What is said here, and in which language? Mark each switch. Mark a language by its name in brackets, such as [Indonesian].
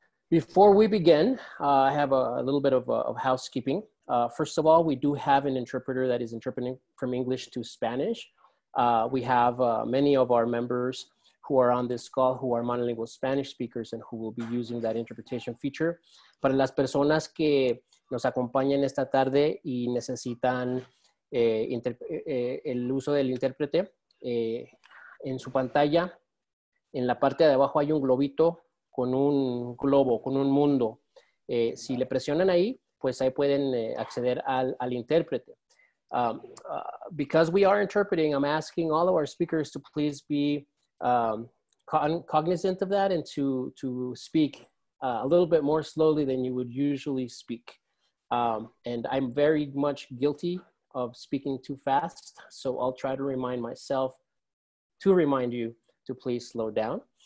[English] Before we begin, I have a little bit of housekeeping. First of all, we do have an interpreter that is interpreting from English to Spanish. We have many of our members who are on this call who are monolingual Spanish speakers and who will be using that interpretation feature. [Spanish] Para las personas que nos acompañan esta tarde y necesitan el uso del intérprete, en su pantalla, en la parte de abajo hay un globito con un globo, con un mundo. Si le presionan ahí, pues ahí pueden acceder al intérprete. [English] Because we are interpreting, I'm asking all of our speakers to please be cognizant of that and to speak a little bit more slowly than you would usually speak. And I'm very much guilty of speaking too fast, so I'll try to remind myself to remind you to please slow down.